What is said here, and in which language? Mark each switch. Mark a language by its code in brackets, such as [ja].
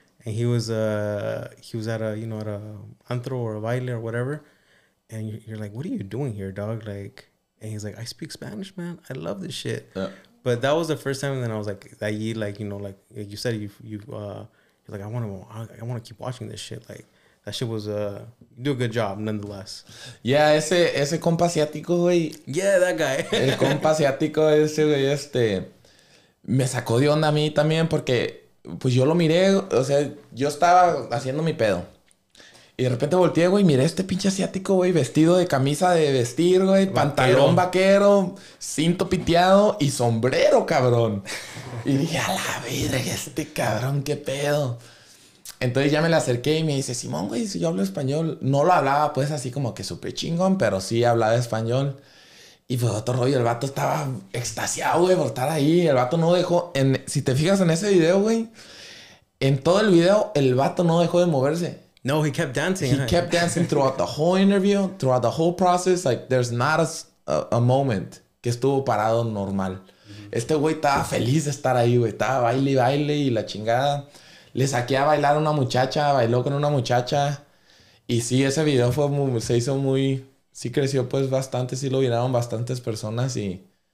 [en] And he was at a, you know, at a antro or a baile or whatever. And you're like, what are you doing here, dog? Like, And he's like, I speak Spanish, man. I love this shit. Yeah. But that was the first time. And then I was like, that you like, you know, like you said, you're like, I want to keep watching this shit. Like that shit was do a good job nonetheless. [es] Yeah, ese compa asiático, güey. [en] Yeah, that guy. [es] El compa asiático ese, güey, me sacó de onda a mí también porque, pues yo lo miré, o sea, yo estaba haciendo mi pedo. Y de repente volteé, güey, miré este pinche asiático, güey, vestido de camisa de vestir, güey, vaquero. Pantalón vaquero, cinto piteado y sombrero, cabrón. Y dije, a la vida, este cabrón, qué pedo. Entonces ya me le acerqué y me dice, Simón, güey, si yo hablo español. No lo hablaba, pues, así como que súper chingón, pero sí hablaba español. Y fue otro rollo, el vato estaba extasiado, güey, por estar ahí. El vato no dejó, si te fijas en ese video, güey, en todo el video, el vato no dejó de moverse. [en] No, he kept dancing. He kept dancing throughout the whole interview, throughout the whole process. Like, there's not a moment [es] que estuvo parado normal. [en] Mm-hmm. [es] Este güey estaba feliz de estar ahí, güey. Estaba baile y baile y la chingada. Le saqué a bailar a una muchacha, bailó con una muchacha. Y sí, ese video se hizo muy... Sí creció, pues, bastante. Sí lo miraron bastantes personas y...